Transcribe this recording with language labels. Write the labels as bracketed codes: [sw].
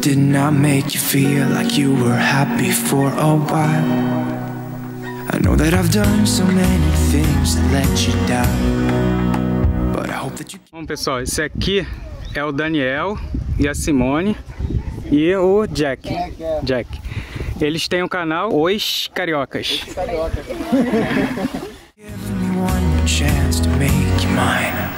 [en] Did not make you feel like you were happy for a while. I know that I've done so many things that let you down. But I hope that you. [pt] Bom pessoal, esse aqui é o Daniel e a Simone e o Jack. Jack. Eles têm o canal Os Cariocas. [en] Give me one chance to make you mine.